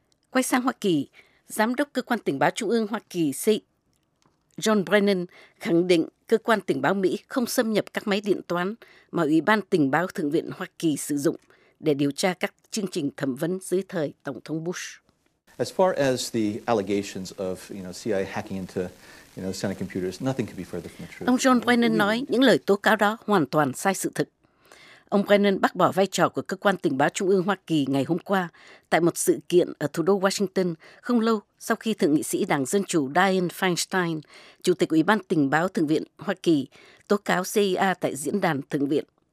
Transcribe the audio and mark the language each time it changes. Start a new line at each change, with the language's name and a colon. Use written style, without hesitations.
Vietnamese: Quay sang Hoa Kỳ, Giám đốc Cơ quan Tình báo Trung ương Hoa Kỳ John Brennan khẳng định cơ quan tình báo Mỹ không xâm nhập các máy điện toán mà Ủy ban Tình báo Thượng viện Hoa Kỳ sử dụng để điều tra các chương trình thẩm vấn dưới thời Tổng thống Bush.
English: As far as the allegations of, you know, CIA hacking into, you know, Senate computers, nothing could be further from the truth.
Vietnamese: Ông John Brennan nói những lời tố cáo đó hoàn toàn sai sự thực. Ông Brennan bác bỏ vai trò của cơ quan tình báo Trung ương Hoa Kỳ ngày hôm qua tại một sự kiện ở thủ đô Washington không lâu sau khi Thượng nghị sĩ Đảng Dân Chủ Dianne Feinstein, Chủ tịch Ủy ban Tình báo Thượng viện Hoa Kỳ, tố cáo CIA tại diễn đàn Thượng viện.